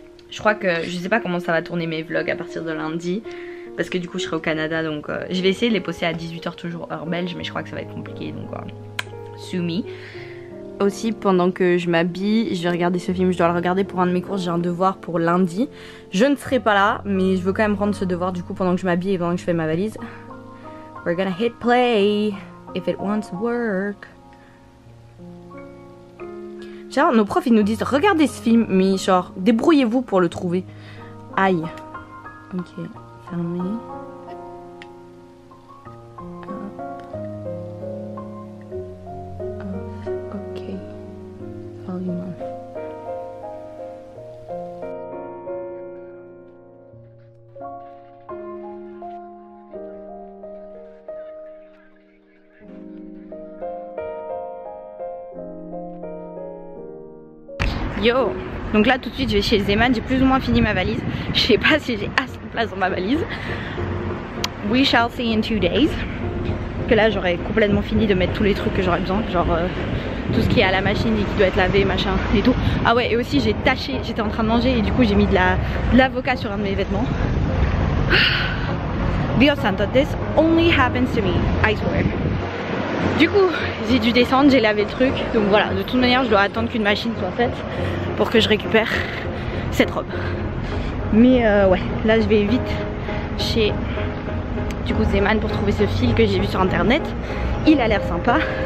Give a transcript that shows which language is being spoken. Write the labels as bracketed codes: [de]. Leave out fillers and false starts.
[fr] Je crois que, je sais pas comment ça va tourner mes vlogs à partir de lundi. Parce que du coup je serai au Canada donc je vais essayer de les poster à 18h toujours heure belge mais je crois que ça va être compliqué donc [en] sue me. [fr] Aussi pendant que je m'habille je vais regarder ce film, je dois le regarder pour un de mes cours, j'ai un devoir pour lundi. Je ne serai pas là mais je veux quand même rendre ce devoir du coup pendant que je m'habille et pendant que je fais ma valise. [en] We're gonna hit play if it wants work. [fr] Genre nos profs ils nous disent regardez ce film mais genre débrouillez-vous pour le trouver. Aïe. Ok. Ok. Volume. Yo. Donc là tout de suite je vais chez Zeman, j'ai plus ou moins fini ma valise. Je sais pas si j'ai assez place dans ma valise. [en] We shall see in 2 days. [fr] Que là j'aurai complètement fini de mettre tous les trucs que j'aurais besoin, genre tout ce qui est à la machine et qui doit être lavé machin et tout. Ah ouais, et aussi j'ai taché, j'étais en train de manger et du coup j'ai mis de l'avocat sur un de mes vêtements. [es] Dios santo, [en] this only happens to me, I swear. [fr] Du coup j'ai dû descendre, j'ai lavé le truc, donc voilà, de toute manière je dois attendre qu'une machine soit faite pour que je récupère cette robe. Mais ouais, là je vais vite chez du coup Zeman pour trouver ce fil que j'ai vu sur internet. Il a l'air sympa.